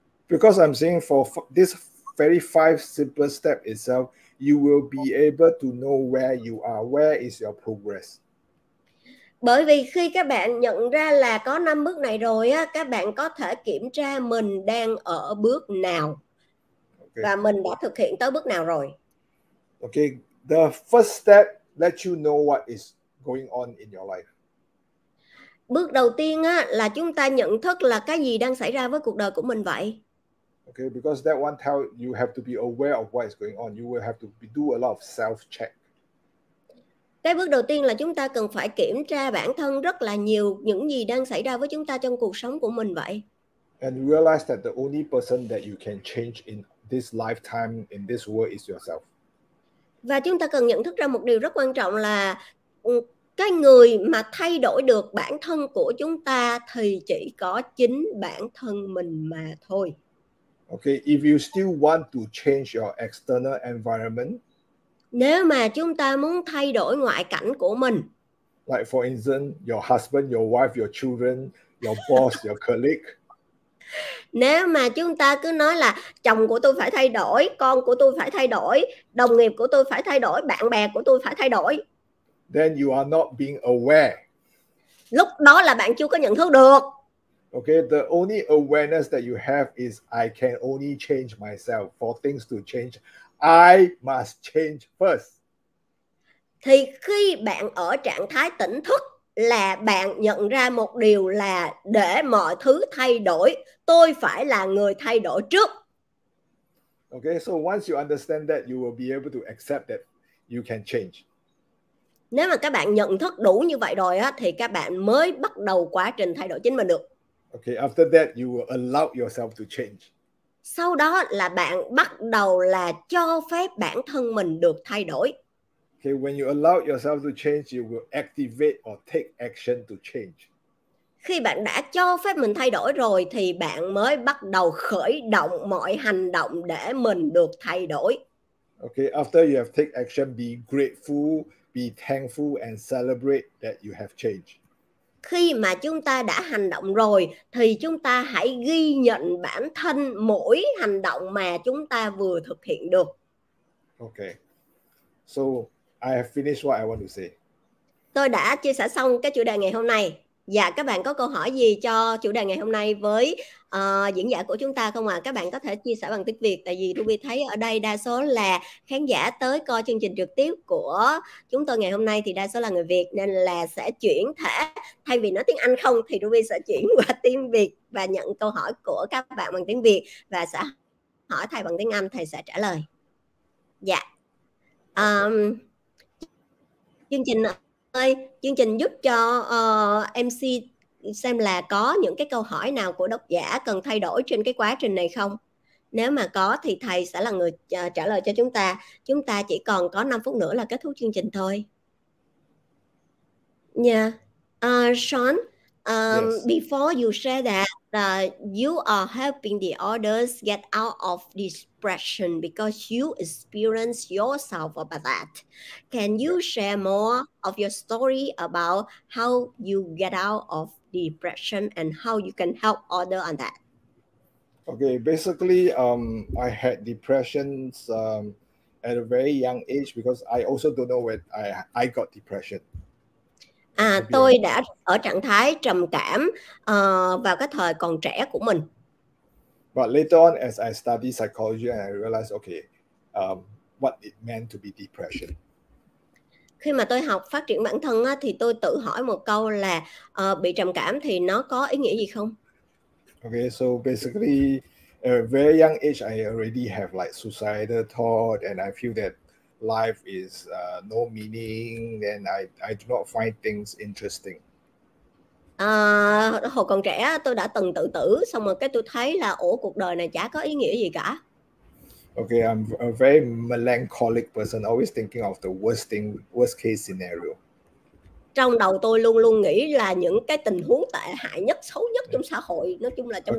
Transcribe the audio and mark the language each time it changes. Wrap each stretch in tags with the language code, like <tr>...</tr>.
<en>Because I'm saying for this very 5 simple step itself, you will be able to know where you are, where is your progress.</en> <vi>Bởi vì khi các bạn nhận ra là có 5 bước này rồi á, các bạn có thể kiểm tra mình đang ở bước nào. Okay. Và mình đã thực hiện tới bước nào rồi.</vi> <en>Okay, the first step lets you know what is going on in your life.</en> <vi>Bước đầu tiên á là chúng ta nhận thức là cái gì đang xảy ra với cuộc đời của mình vậy.</vi> <en>Okay, because that one tell you have to be aware of what is going on. You will have to be, do a lot of self check.</en> <vi>Cái bước đầu tiên là chúng ta cần phải kiểm tra bản thân rất là nhiều những gì đang xảy ra với chúng ta trong cuộc sống của mình vậy.</vi> <en>And realize that the only person that you can change in this lifetime in this world is yourself.</en> <vi>Và chúng ta cần nhận thức ra một điều rất quan trọng là cái người mà thay đổi được bản thân của chúng ta thì chỉ có chính bản thân mình mà thôi.</vi> <en>Okay, if you still want to change your external environment,</en> <vi>nếu mà chúng ta muốn thay đổi ngoại cảnh của mình,</vi> <en>like for instance, your husband, your wife, your children, your boss, your colleague.</en> <vi>Nếu mà chúng ta cứ nói là chồng của tôi phải thay đổi, con của tôi phải thay đổi, đồng nghiệp của tôi phải thay đổi, bạn bè của tôi phải thay đổi,</vi> <en>then you are not being aware.</en> <vi>Lúc đó là bạn chưa có nhận thức được.</vi> <en>Okay, the only awareness that you have is I can only change myself. For things to change, I must change first.</en> <vi>Thì khi bạn ở trạng thái tỉnh thức là bạn nhận ra một điều là để mọi thứ thay đổi, tôi phải là người thay đổi trước.</vi> <en>Okay, so once you understand that, you will be able to accept that you can change.</en> <vi>Nếu mà các bạn nhận thức đủ như vậy rồi á, thì các bạn mới bắt đầu quá trình thay đổi chính mình được.</vi> <en>Okay, after that you will allow yourself to change.</en> <vi>Sau đó là bạn bắt đầu là cho phép bản thân mình được thay đổi.</vi> <en>Okay, when you allow yourself to change, you will activate or take action to change.</en> <vi>Khi bạn đã cho phép mình thay đổi rồi thì bạn mới bắt đầu khởi động mọi hành động để mình được thay đổi.</vi> <en>Okay, after you have take action, be grateful, be thankful and celebrate that you have changed.</en> <vi>Khi mà chúng ta đã hành động rồi thì chúng ta hãy ghi nhận bản thân mỗi hành động mà chúng ta vừa thực hiện được.</vi> <en>Okay. So I have finished what I want to say.</en> <vi>Tôi đã chia sẻ xong cái chủ đề ngày hôm nay. Dạ, các bạn có câu hỏi gì cho chủ đề ngày hôm nay với diễn giả của chúng ta không ạ? À? Các bạn có thể chia sẻ bằng tiếng Việt, tại vì Ruby thấy ở đây đa số là khán giả tới coi chương trình trực tiếp của chúng tôi ngày hôm nay thì đa số là người Việt, nên là sẽ chuyển thể, thay vì nói tiếng Anh không thì Ruby sẽ chuyển qua tiếng Việt và nhận câu hỏi của các bạn bằng tiếng Việt và sẽ hỏi thầy bằng tiếng Anh, thầy sẽ trả lời. Dạ. Chương trình ơi, chương trình giúp cho MC xem là có những cái câu hỏi nào của độc giả cần thay đổi trên cái quá trình này không? Nếu mà có thì thầy sẽ là người trả lời cho chúng ta. Chúng ta chỉ còn có 5 phút nữa là kết thúc chương trình thôi.</vi> <en>Yeah. Sean, yes. Before you share that, you are helping the others get out of depression because you experience yourself about that. Can you share more of your story about how you get out of depression and how you can help others on that? Okay, basically, I had depressions at a very young age because I also don't know when I got depression.</en> <vi>À, tôi đã ở trạng thái trầm cảm vào cái thời còn trẻ của mình.</vi> <en>But later on, as I studied psychology, I realized, okay, what it meant to be depression.</en> <vi>Khi mà tôi học phát triển bản thân thì tôi tự hỏi một câu là bị trầm cảm thì nó có ý nghĩa gì không?</vi> <en>Okay, so basically, at a very young age, I already have like suicidal thought, and I feel that life is no meaning, and I do not find things interesting.</en> <vi>Hồi còn trẻ tôi đã từng tự tử, xong rồi cái tôi thấy là ủa cuộc đời này chả có ý nghĩa gì cả.</vi> <en>Okay, I'm a very melancholic person, always thinking of the worst thing, worst case scenario.</en> <vi>Trong đầu tôi luôn luôn nghĩ là những cái tình huống tệ hại nhất, xấu nhất trong xã hội, nói chung là trong</vi>